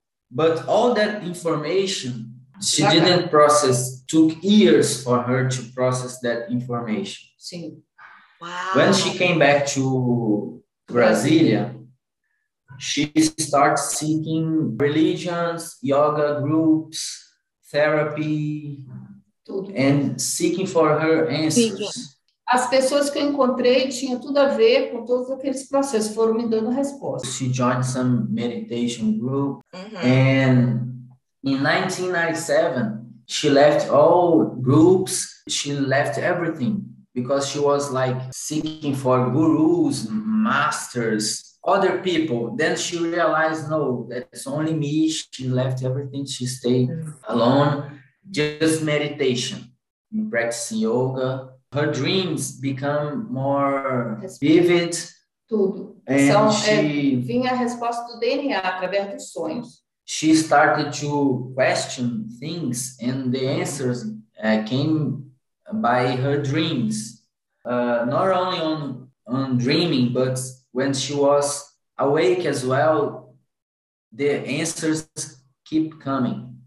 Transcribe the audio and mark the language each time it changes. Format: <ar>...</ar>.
<en>But all that information she didn't process, took years for her to process that information.</en> <pt>Sim.</pt> <en>Wow. When she came back to Brasília, she started seeking religions, yoga groups, therapy, and seeking for her answers.</en> <pt>As pessoas que eu encontrei tinham tudo a ver com todos aqueles processos, foram me dando respostas.</pt> <en>She joined some meditation group, uh-huh. And in 1997, she left all groups, she left everything, because she was like seeking for gurus, masters, other people. Then she realized, no, that's only me. She left everything. She stayed alone, just meditation, practicing yoga. Her dreams become more vivid.</en> <pt>Tudo.</pt> <en>And</en> <pt>são,</pt> <en>she...</en> <pt>Vinha a resposta do DNA através dos sonhos.</pt> <en>She started to question things and the answers came by her dreams. Not only on dreaming, but when she was awake as well, the answers keep coming.</en>